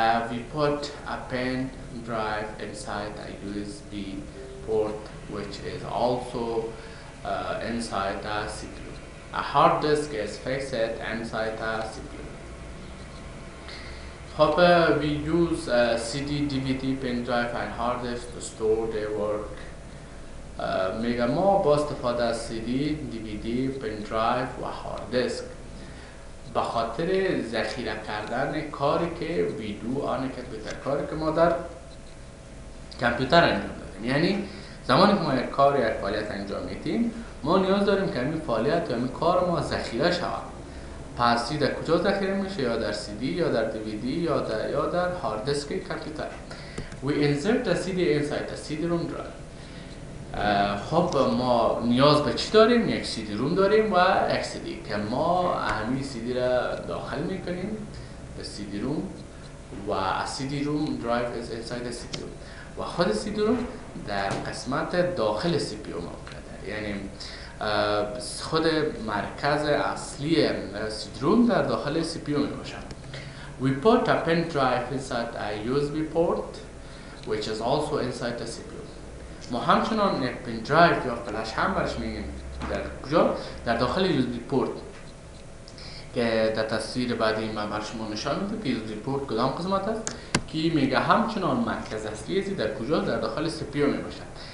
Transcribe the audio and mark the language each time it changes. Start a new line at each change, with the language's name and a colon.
English: We put a pen drive inside a USB port, which is also inside a CPU. A hard disk is fixed inside a CPU. However, we use CD, DVD, pen drive, and hard disk to store the work.
Persian: میگه ما با استفاده از CD, DVD, pen drive و hard disk به خاطر ذخیره کردن کاری که
English: we do on a computer،
Persian: کاری که ما در کامپیوتر انجام دادیم. یعنی زمانی که ما یک کار یا یک فعالیت انجام میدیم، ما نیاز داریم که این فعالیت یا این کار ما ذخیره شود. پس CD کجا ذخیره میشه؟ یا در CD یا در DVD یا در هارد دیسک کامپیوتر.
English: We insert a CD inside a CD ROM drive.
Persian: خب ما نیاز به چی داریم؟ یک سی دی روم داریم و یک سی دی که ما همین سی دی را داخل میکنیم به سی دی روم و سی دی روم درایو از اینساید سی دی روم و خود سی دی روم در قسمت داخل سی پی او موقعه داره. یعنی خود مرکز اصلی سی دی روم در داخل سی پی او میباشد.
English: We put a pen drive inside a USB port which is also inside the CPU.
Persian: ما همچنان یک پن درایو یا فلش هم برش میگیم در کجا؟ در داخل USB پورت که در تصویر بعدی ما بر شما نشان میده که USB پورت کدام قسمت است که میگه همچنان مرکز اصلی ازی در کجا؟ در داخل CPU میباشد.